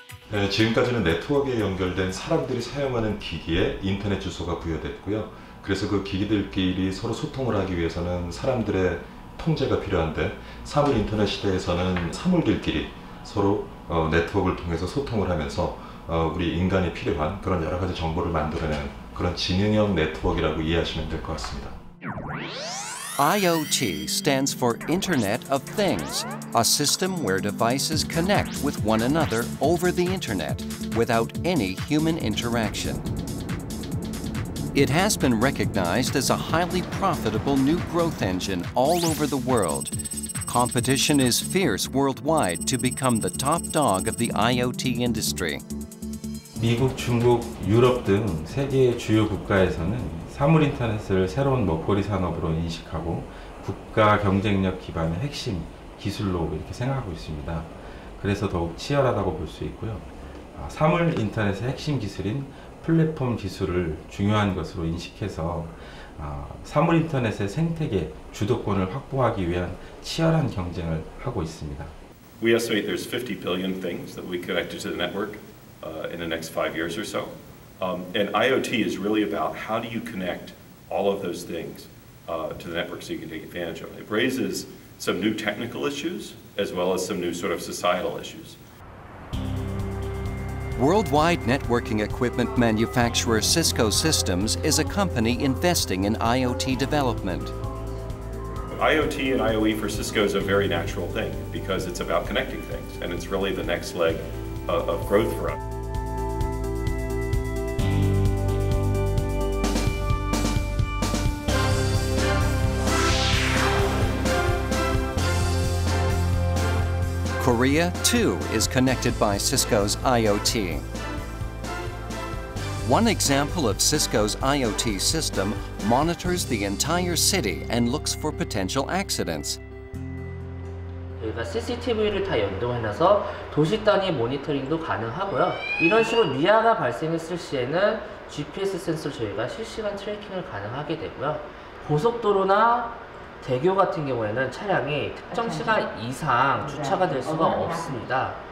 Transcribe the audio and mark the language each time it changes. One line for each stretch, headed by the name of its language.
Korean: 네, 지금까지는 네트워크에 연결된 사람들이 사용하는 기기에 인터넷 주소가 부여됐고요. 그래서 그 기기들끼리 서로 소통을 하기 위해서는 사람들의 통제가 필요한데 사물 인터넷 시대에서는 사물들끼리 서로 네트워크를 통해서 소통을 하면서 우리 인간이 필요한 그런 여러 가지 정보를 만들어내는 그런 지능형 네트워크라고 이해하시면 될 것 같습니다.
English: IoT stands for Internet of Things, a system where devices connect with one another over the internet without any human interaction. It has been recognized as a highly profitable new growth engine all over the world. Competition is fierce worldwide to become the top dog of the IoT industry.
Korean: 미국, 중국, 유럽 등 세계의 주요 국가에서는 사물 인터넷을 새로운 먹거리 산업으로 인식하고 국가 경쟁력 기반의 핵심 기술로 이렇게 생각하고 있습니다. 그래서 더욱 치열하다고 볼 수 있고요. 사물 인터넷의 핵심 기술인 플랫폼 기술을 중요한 것으로 인식해서 사물 인터넷의 생태계 주도권을 확보하기 위한 치열한 경쟁을 하고 있습니다.
English: We estimate there's 50 billion things that we connect to the network in the next 5 years or so. And IoT is really about how do you connect all of those things to the network so you can take advantage of it. It raises some new technical issues as well as some new sort of societal issues. Worldwide networking equipment manufacturer Cisco Systems is a company investing in IoT development. IoT and IoE for Cisco is a very natural thing because it's about connecting things, and it's really the next leg of growth for us. Korea, too, is connected by Cisco's IoT. One example of Cisco's IoT system monitors the entire city and looks for potential accidents.
Korean: CCTV를 다 연동해놔서 도시 단위 모니터링도 가능하고요. 이런 식으로 미화가 발생했을 시에는 GPS 센서로 저희가 실시간 트래킹을 가능하게 되고요. 고속도로나 대교 같은 경우에는 차량이 특정 시간 이상 주차가 될 수가 없습니다.